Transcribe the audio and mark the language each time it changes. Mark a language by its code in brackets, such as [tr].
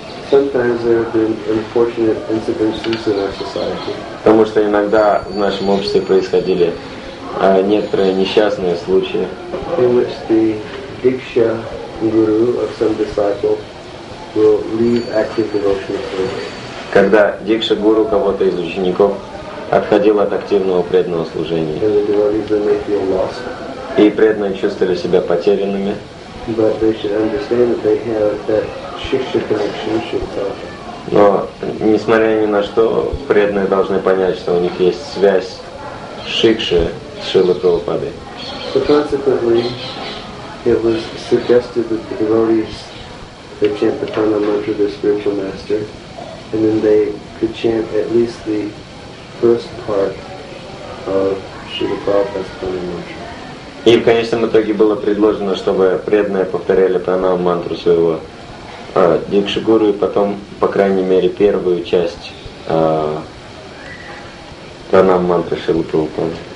[en] Sometimes there have been unfortunate incidences in our society. [ru] Потому что иногда в нашем обществе происходили некоторые несчастные случаи. [en] In which the Diksha Guru of some disciple will leave active devotional service. [ru] Когда Дикша Гуру кого-то из учеников отходил от активного преданного служения. [en] And the devotees then may feel lost. [ru] И преданные чувствовали себя потерянными. [en] But they should understand that they have that Шикша connection, Шикша. [ru] Но, несмотря ни на что, преданные должны понять, что у них есть связь Шикши с Шрилой Прабхупадой. [en] So consequently, it was suggested that the devotees they chant the Prana Mantra of their spiritual master, and then they could chant at least the first part of Shrila Prabhupada's Prana Mantra. [ru] И в конечном итоге было предложено, чтобы преданные повторяли пранаму мантру своего Дикши Гуру и потом, по крайней мере, первую часть пранаму мантры Шрилы Прабхупады.